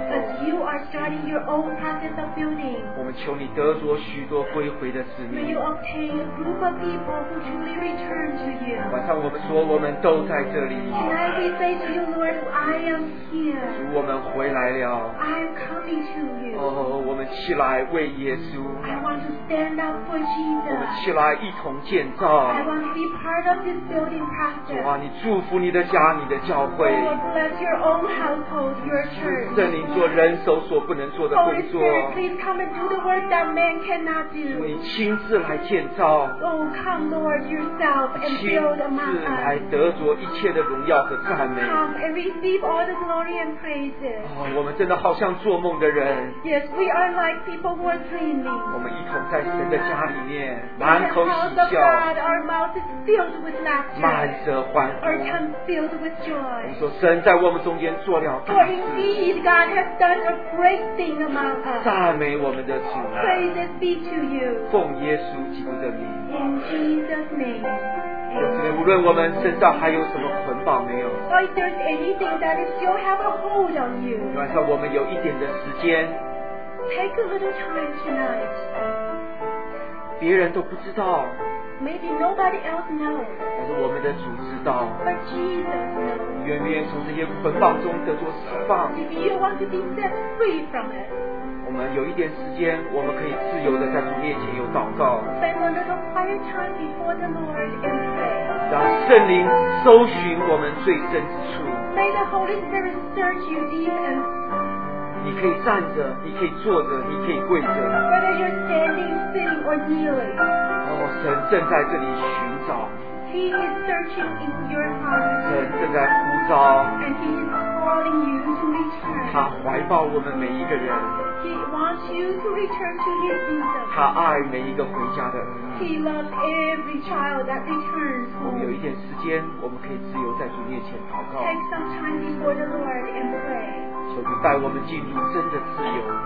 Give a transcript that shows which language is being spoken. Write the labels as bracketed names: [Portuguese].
[English] as you are starting your own process of building, [Chinese] 我们求你得着许多归回的子民。 [English] May you obtain a group of people who truly return to you. [Chinese] 晚上我们说，我们都在这里。 [English] Tonight we say to you, Lord, I am here. [Chinese] 主，我们回来了。 [English] I am coming to you. [Chinese] Oh, 我们起来为耶稣。 [English] I want to stand. stand up for Jesus. [Chinese] 我们起来一同建造。 [English] I want to be part of this building process. [Chinese] 主啊，你祝福你的家，你的教会。 [English] Lord, bless your own household, your church. [Chinese] 圣灵做人手所不能做的工作。 [English] Holy Spirit, please come and do the work that man cannot do. [Chinese] 主，你亲自来建造。 [English] Oh, come, Lord, yourself and build among us. [Chinese] 亲自来得着一切的荣耀和赞美。 [English] Come and receive all the glory and praises. [Chinese] 哦，我们真的好像做梦的人。 [English] Yes, we are like people who are dreaming. [Chinese] 我们一同在神的家里面，满口喜笑。 [English] Our mouth is filled with laughter. [Chinese] 满舌欢呼。 [English] Our tongue filled with joy. [Chinese] 我们说神在我们中间做了大事。 [English] For indeed, God has done a great thing among us. [Chinese] 赞美我们的主啊。 [English] Praises be to you. [Chinese] 奉耶稣基督的名。 [English] In Jesus' name. [Chinese] 无论我们身上还有什么捆绑没有 [English] or if there's anything that is still have a hold on you [Chinese] 晚上我们有一点的时间 [English] take a little time tonight [Chinese] 别人都不知道 [English] maybe nobody else knows [Chinese] 但是我们的主知道 [English] but Jesus knows [Chinese] 愿不愿从这些捆绑中得着释放 [English] if you want to be set free from it [Chinese] 我们有一点时间我们可以自由地在主面前有祷告 [English] spend a little quiet time before the Lord and pray [Chinese] 让圣灵搜寻我们最深之处 [English] may the Holy Spirit search you deep and far [Chinese] 你可以站着你可以坐着你可以跪着 [English] whether you're standing, sitting or kneeling [Chinese] 哦，神正在这里寻找 [English] He is searching in your heart [Chinese] 神正在呼召 [English] and He is calling you to return [Chinese] 他怀抱我们每一个人 [English] He wants you to return to his Jesus. [Chinese] 他爱每一个回家的。 [English] He loves every child that returns home. [Chinese] 我们有一点时间，我们可以自由在主面前祷告。 [English] Take some time before the Lord and pray. [Chinese] 求主带我们进入真的自由。